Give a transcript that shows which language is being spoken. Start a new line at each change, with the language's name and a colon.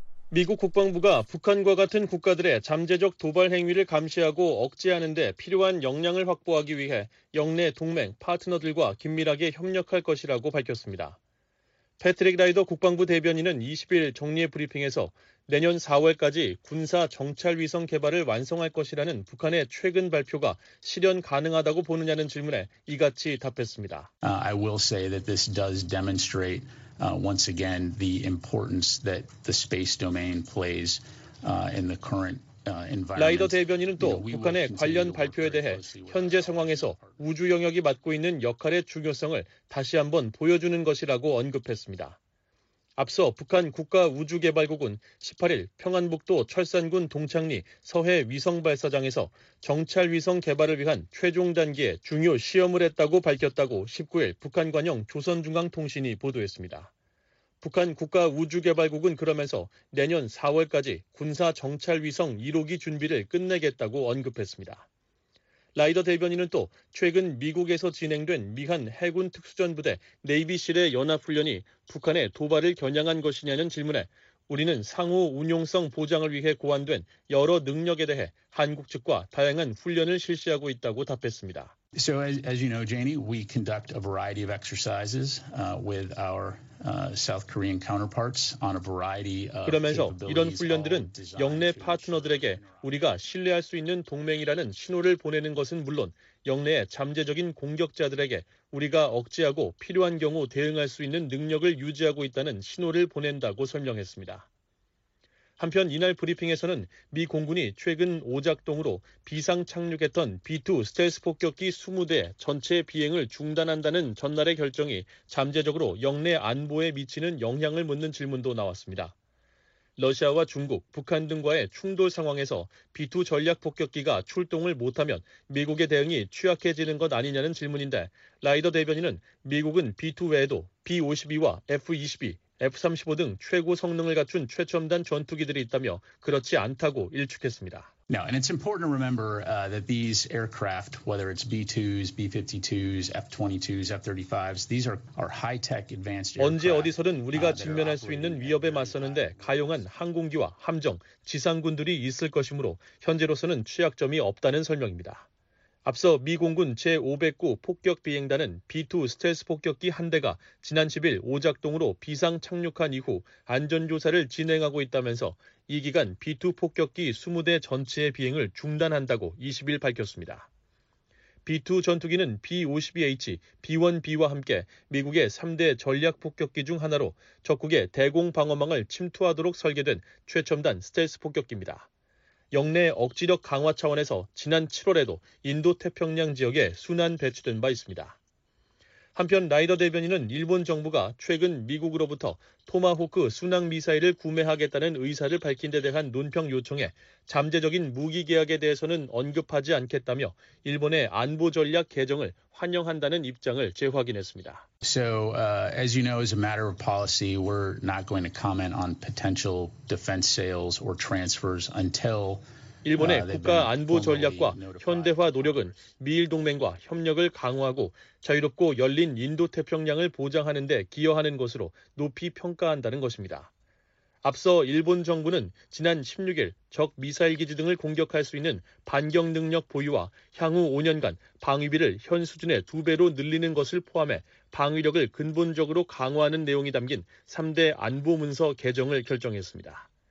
Korean: 미국 국방부가 북한과 같은 국가들의 잠재적 도발 행위를 감시하고 억제하는 데 필요한 역량을 확보하기 위해 영내 동맹, 파트너들과 긴밀하게 협력할 것이라고 밝혔습니다. 패트릭 라이더 국방부 대변인은 20일 정례 브리핑에서 내년 4월까지 군사 정찰위성 개발을 완성할 것이라는 북한의 최근 발표가 실현 가능하다고 보느냐는 질문에 이같이 답했습니다.
English: I will say that this does demonstrate once again the importance that the space domain plays in the current
Korean: 라이더 대변인은 또 북한의 관련 발표에 대해 현재 상황에서 우주 영역이 맡고 있는 역할의 중요성을 다시 한번 보여주는 것이라고 언급했습니다. 앞서 북한 국가우주개발국은 18일 평안북도 철산군 동창리 서해 위성발사장에서 정찰위성 개발을 위한 최종 단계의 중요 시험을 했다고 밝혔다고 19일 북한 관영 조선중앙통신이 보도했습니다. 북한 국가우주개발국은 그러면서 내년 4월까지 군사정찰위성 1호기 준비를 끝내겠다고 언급했습니다. 라이더 대변인은 또 최근 미국에서 진행된 미한 해군 특수전부대 네이비실의 연합훈련이 북한의 도발을 겨냥한 것이냐는 질문에 우리는 상호 운용성 보장을 위해 고안된 여러 능력에 대해 한국 측과 다양한 훈련을 실시하고 있다고 답했습니다.
English: So as you know, Janie, we conduct a variety of exercises with our South Korean counterparts on a variety of capabilities.
Korean: 그러면서 이런 훈련들은 영내 파트너들에게 우리가 신뢰할 수 있는 동맹이라는 신호를 보내는 것은 물론 영내의 잠재적인 공격자들에게 우리가 억제하고 필요한 경우 대응할 수 있는 능력을 유지하고 있다는 신호를 보낸다고 설명했습니다. 한편 이날 브리핑에서는 미 공군이 최근 오작동으로 비상 착륙했던 B-2 스텔스 폭격기 20대 전체 비행을 중단한다는 전날의 결정이 잠재적으로 영내 안보에 미치는 영향을 묻는 질문도 나왔습니다. 러시아와 중국, 북한 등과의 충돌 상황에서 B-2 전략 폭격기가 출동을 못하면 미국의 대응이 취약해지는 것 아니냐는 질문인데 라이더 대변인은 미국은 B-2 외에도 B-52와 F-22, F-35 등 최고 성능을 갖춘 최첨단 전투기들이 있다며 그렇지 않다고 일축했습니다.
English: Now, and it's important to remember that these aircraft, whether it's B-2s, B-52s, F-22s, F-35s, these are high-tech advanced aircraft.
Korean: 언제 어디서든 우리가 직면할 수 있는 위협에 맞서는데 가용한 항공기와 함정, 지상군들이 있을 것이므로 현재로서는 취약점이 없다는 설명입니다. 앞서 미 공군 제509 폭격 비행단은 B-2 스텔스 폭격기 한 대가 지난 10일 오작동으로 비상 착륙한 이후 안전조사를 진행하고 있다면서 이 기간 B-2 폭격기 20대 전체의 비행을 중단한다고 20일 밝혔습니다. B-2 전투기는 B-52H, B-1B와 함께 미국의 3대 전략 폭격기 중 하나로 적국의 대공 방어망을 침투하도록 설계된 최첨단 스텔스 폭격기입니다. 영내 억지력 강화 차원에서 지난 7월에도 인도태평양 지역에 순환 배치된 바 있습니다. 한편 라이더 대변인은 일본 정부가 최근 미국으로부터 토마호크 순항미사일을 구매하겠다는 의사를 밝힌 데 대한 논평 요청에 잠재적인 무기 계약에 대해서는 언급하지 않겠다며 일본의 안보 전략 개정을 환영한다는 입장을 재확인했습니다.
English: So, as you know, as a matter of policy, we're not going to comment on potential defense sales or transfers until
Korean: 일본의 국가 안보 전략과 현대화 노력은 미일 동맹과 협력을 강화하고 자유롭고 열린 인도태평양을 보장하는 데 기여하는 것으로 높이 평가한다는 것입니다. 앞서 일본 정부는 지난 16일 적 미사일 기지 등을 공격할 수 있는 반격 능력 보유와 향후 5년간 방위비를 현 수준의 2배로 늘리는 것을 포함해 방위력을 근본적으로 강화하는 내용이 담긴 3대 안보 문서 개정을 결정했습니다.